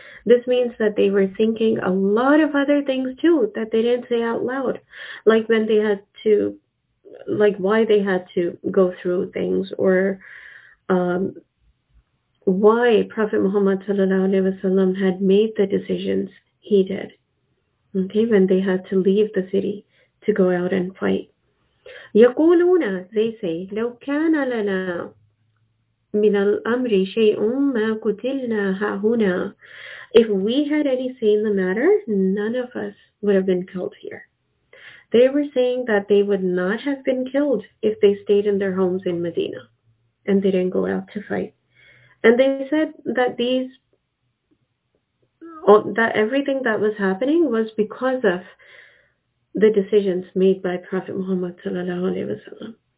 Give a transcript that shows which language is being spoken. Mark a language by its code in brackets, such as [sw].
[en] This means that they were thinking a lot of other things too that they didn't say out loud, like when they had to, like why they had to go through things, or why Prophet Muhammad sallallahu alaihi wasallam had made the decisions he did. Okay, when they had to leave the city to go out and fight. [ar] يقولون, [en] they say, [ar] لو كان لنا من الأمر شيء ما قتلنا هاهنا. [en] If we had any say in the matter, none of us would have been killed here. They were saying that they would not have been killed if they stayed in their homes in Medina and they didn't go out to fight. And they said that that everything that was happening was because of the decisions made by Prophet Muhammad sallallahu alaihi wasallam.